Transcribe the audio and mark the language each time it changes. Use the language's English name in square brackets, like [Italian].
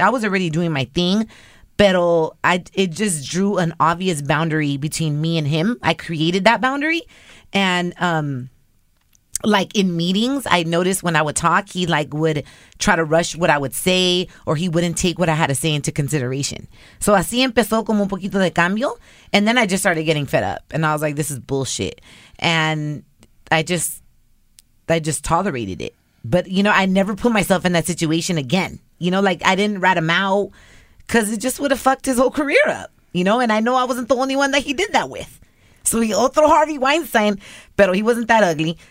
[English] I was already doing my thing, but it just drew an obvious boundary between me and him. I created that boundary. And, like in meetings, I noticed when I would talk, he like would try to rush what I would say, or he wouldn't take what I had to say into consideration. [Spanish] So así empezó como un poquito de cambio. [English] And then I just started getting fed up and I was like, this is bullshit. And I just tolerated it. But, you know, I never put myself in that situation again. You know, like, I didn't rat him out because it just would have fucked his whole career up. You know, and I know I wasn't the only one that he did that with. So he [Spanish] otro Harvey Weinstein, pero [English] he wasn't that ugly.